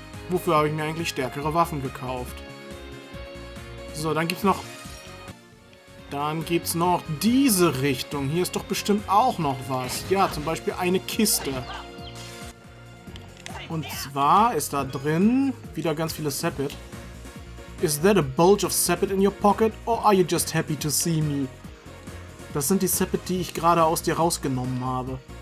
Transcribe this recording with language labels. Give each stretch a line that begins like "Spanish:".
German: Wofür habe ich mir eigentlich stärkere Waffen gekauft? So, dann gibt's noch diese Richtung. Hier ist doch bestimmt auch noch was. Ja, zum Beispiel eine Kiste. Und zwar ist da drin wieder ganz viele Sepit.
English: Is that a bulge of Sepit in your pocket? Or are you just happy to see me?
German: Das sind die Sepit, die ich gerade aus dir rausgenommen habe.